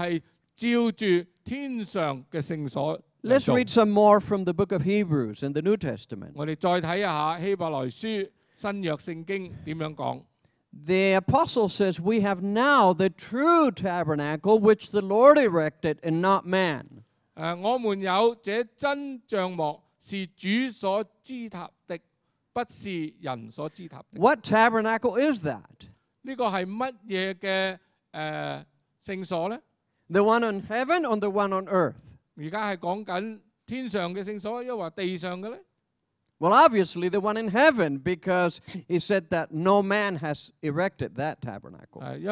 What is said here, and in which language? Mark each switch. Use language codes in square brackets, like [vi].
[zh] 所以地上所做的帐幕的圣所就是照着天上的圣所。 [en] Let's read some more from the book of Hebrews in the New Testament. [zh] 我们再看一下希伯来书新约圣经怎么样讲。 [en] The apostle says, we have now the true tabernacle which the Lord erected and not man. [zh] 我们有这真帐幕是主所支搭的,不是人所支搭的。 [en] What tabernacle is that? [zh] 这个是什么的, 圣所呢? [en] The one on heaven or the one on earth? [zh] 现在是讲天上的圣所,又说地上的呢? [en] Well, obviously, the one in heaven, because he said that no man has erected that tabernacle.